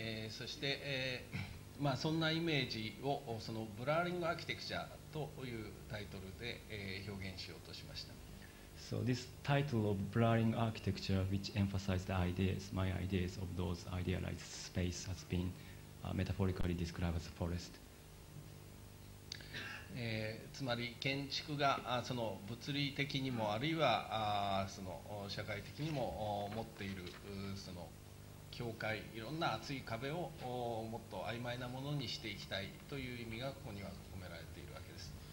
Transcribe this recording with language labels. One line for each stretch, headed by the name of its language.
Japanese: そして、まあ、そんなイメージをそのブラーリングアーキテクチャというタイトルで、表現しようとしました。
English: So this title of blurring architecture, which emphasized the ideas, my ideas of those idealized space, has been metaphorically described as a forest.
Japanese: つまり建築がその物理的にもあるいはその社会的にも持っているその境界、いろんな厚い壁をもっと曖昧なものにしていきたいという意味がここには込められているわけです。